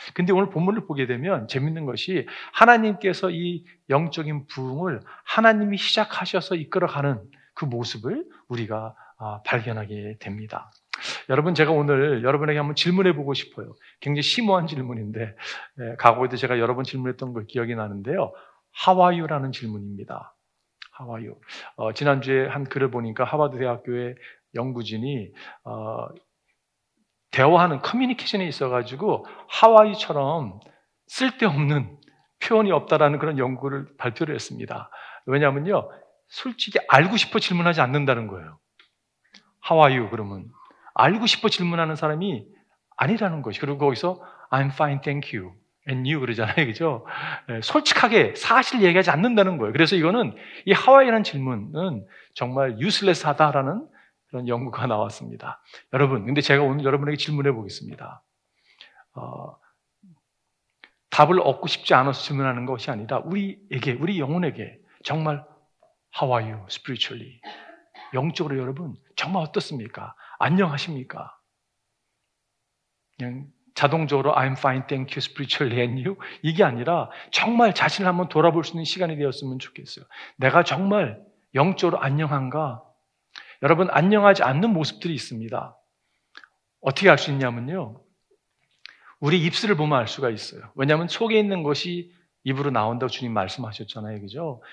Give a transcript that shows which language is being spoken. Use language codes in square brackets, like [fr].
[ko] 근데 오늘 본문을 보게 되면 재밌는 것이, 하나님께서 이 영적인 부흥을 하나님이 시작하셔서 이끌어가는 그 모습을 우리가 발견하게 됩니다. 여러분, 제가 오늘 여러분에게 한번 질문해 보고 싶어요. 굉장히 심오한 질문인데, 과거에도 제가 여러분 질문했던 걸 기억이 나는데요. How are you? 라는 질문입니다. [en] How are you? [ko] 지난주에 한 글을 보니까 하버드 대학교의 연구진이 대화하는 커뮤니케이션에 있어가지고 [en] How are you? [ko] 처럼 쓸데없는 표현이 없다라는 그런 연구를 발표를 했습니다. 왜냐면요, 솔직히 알고 싶어 질문하지 않는다는 거예요. [en] How are you? [ko] 그러면 알고 싶어 질문하는 사람이 아니라는 것이, 그리고 거기서 [en] I'm fine, thank you, and you [ko] 그러잖아요, 그죠? 솔직하게 사실 얘기하지 않는다는 거예요. 그래서 이거는, 이 [en] How are [ko] 이라는 질문은 정말 useless하다라는 그런 연구가 나왔습니다. 여러분, 근데 제가 오늘 여러분에게 질문해 보겠습니다. 답을 얻고 싶지 않아서 질문하는 것이 아니라 우리에게, 우리 영혼에게 정말 [en] How are you spiritually? [ko] 영적으로 여러분 정말 어떻습니까? 안녕하십니까? 그냥 자동적으로 [en] I'm fine, thank you spiritually and you? [ko] 이게 아니라 정말 자신을 한번 돌아볼 수 있는 시간이 되었으면 좋겠어요. 내가 정말 영적으로 안녕한가? 여러분, 안녕하지 않는 모습들이 있습니다. 어떻게 알 수 있냐면요, 우리 입술을 보면 알 수가 있어요. 왜냐하면 속에 있는 것이 입으로 나온다고 주님 말씀하셨잖아요, 그죠?